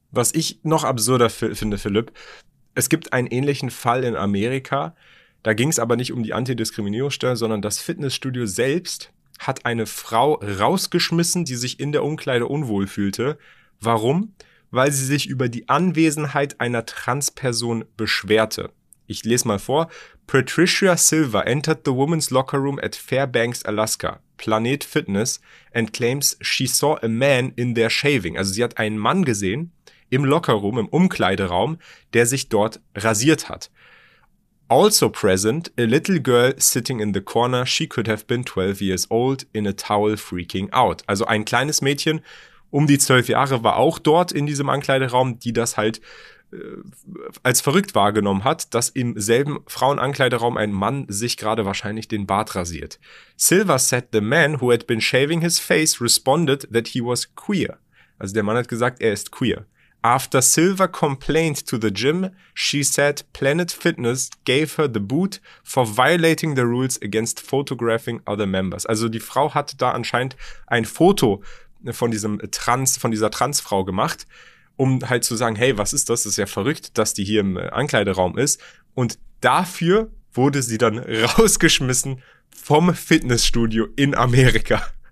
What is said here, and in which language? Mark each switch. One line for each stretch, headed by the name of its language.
German: Was ich noch absurder finde, Philipp, es gibt einen ähnlichen Fall in Amerika. Da ging es aber nicht um die Antidiskriminierungsstelle, sondern das Fitnessstudio selbst hat eine Frau rausgeschmissen, die sich in der Umkleide unwohl fühlte. Warum? Weil sie sich über die Anwesenheit einer Transperson beschwerte. Ich lese mal vor.
English: Patricia Silva entered the women's locker room at Fairbanks, Alaska, Planet Fitness, and claims she saw a man in there shaving.
German: Also sie hat einen Mann gesehen im Lockerroom, im Umkleideraum, der sich dort rasiert hat.
English: Also present, a little girl sitting in the corner, she could have been 12 years old, in a towel freaking out.
German: Also ein kleines Mädchen um die 12 Jahre war auch dort in diesem Ankleideraum, die das halt als verrückt wahrgenommen hat, dass im selben Frauenankleideraum ein Mann sich gerade wahrscheinlich den Bart rasiert.
English: Silva said the man who had been shaving his face responded that he was queer.
German: Also der Mann hat gesagt, er ist queer.
English: After Silva complained to the gym, she said Planet Fitness gave her the boot for violating the rules against photographing other members.
German: Also die Frau hat da anscheinend ein Foto von dieser Transfrau gemacht, um halt zu sagen, hey, was ist das? Das ist ja verrückt, dass die hier im Ankleideraum ist. Und dafür wurde sie dann rausgeschmissen vom Fitnessstudio in Amerika.